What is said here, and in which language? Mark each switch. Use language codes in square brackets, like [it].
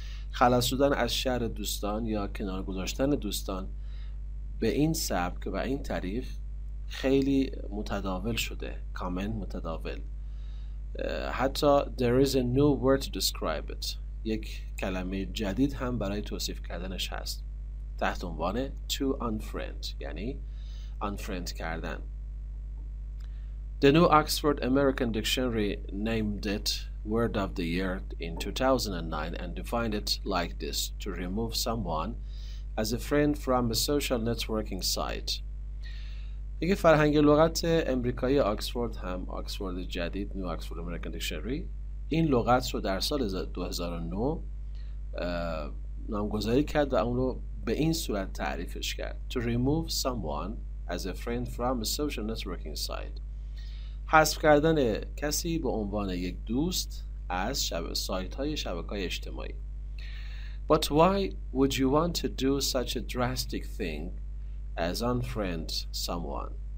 [fa] خلاص شدن از شر دوستان یا کنار گذاشتن دوستان به این سبک و این طریق خیلی متداول شده. Common, متداول. [en] حتی there is a new word to describe it. [fa] یک کلمه جدید هم برای توصیف کردنش هست. تحت عنوان to unfriend. یعنی unfriend کردن. [en] The new Oxford American Dictionary named it word of the year in 2009 and defined it like this: to remove someone as a friend from a social networking site. [fa] یک فرهنگ لغت امریکایی آکسفورد هم، آکسفورد جدید، نیو آکسفورد امریکن دیکشنری، این لغت رو در سال 2009 نامگذاری کرد و اون رو به این صورت تعریفش کرد: [en] to remove someone as a friend from a social networking site. [fa] حذف کردن کسی به عنوان یک دوست از سایت‌های شبکه‌های اجتماعی. [en] But why would you want to do such a drastic thing as unfriend someone?